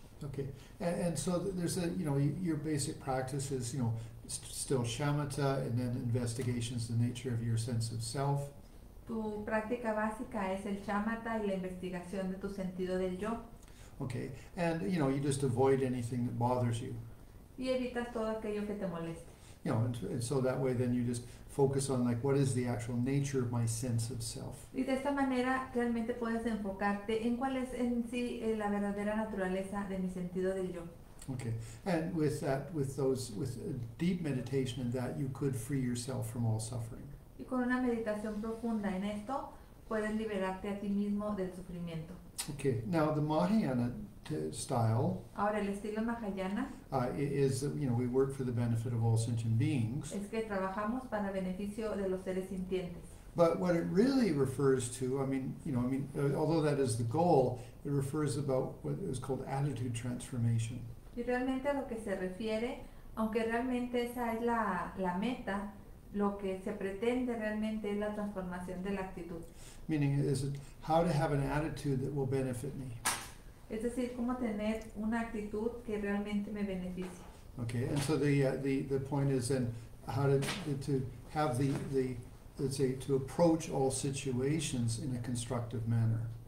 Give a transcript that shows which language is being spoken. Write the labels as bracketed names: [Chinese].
[English] Okay, and so there's your basic practice is still shamatha, and then investigations the nature of your sense of self. [Spanish] Tu práctica básica es el shamatha y la investigación de tu sentido del yo. [English] Okay, and you know, you just avoid anything that bothers you. [Spanish] Y evitas todo aquello que te moleste. [English] You know, and so that way then you just focus on like, what is the actual nature of my sense of self? [Spanish] Y de esta manera realmente puedes enfocarte en cuál es en sí la verdadera naturaleza de mi sentido del yo. [English] Okay, and with that, with deep meditation in that, you could free yourself from all suffering. [Spanish] Y con una meditación profunda en esto, puedes liberarte a ti mismo del sufrimiento. [English] Okay, now the Mahayana style. [Spanish] Ahora el estilo Mahayana. [English] Is, you know, we work for the benefit of all sentient beings. [Spanish] Es que trabajamos para beneficio de los seres sintientes. [English] But what it really refers to, although that is the goal, it refers about what is called attitude transformation. [Spanish] Y realmente a lo que se refiere, aunque realmente esa es la meta, lo que se pretende realmente es la transformación de la actitud. [English] Meaning, is it how to have an attitude that will benefit me? [Spanish] Es decir, cómo tener una actitud que realmente me beneficie. [English] Okay, and so the point is then how to have the let's say to approach all situations in a constructive manner.